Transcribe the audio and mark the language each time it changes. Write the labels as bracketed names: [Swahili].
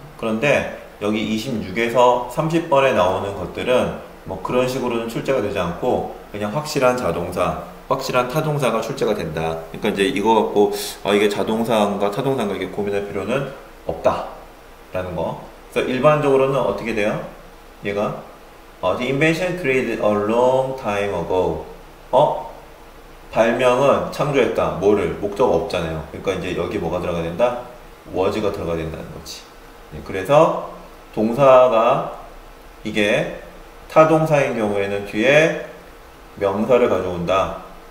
[Korean] 그런데 여기 26에서 30번에 나오는 것들은 뭐 그런 식으로는 출제가 되지 않고 그냥 확실한 자동사, 확실한 타동사가 출제가 된다. 그러니까 이제 이거 갖고 이게 자동사인가 타동사인가 이게 고민할 필요는 없다라는 거. 그래서 일반적으로는 어떻게 돼요? 얘가 [English] the invention created a long time ago. [Korean] 발명은 창조했다. 뭐를? 목적어 없잖아요. 그러니까 이제 여기 뭐가 들어가야 된다? was가 들어가야 된다는 거지. 그래서 동사가 이게 타동사인 경우에는 뒤에 명사를 가져온다.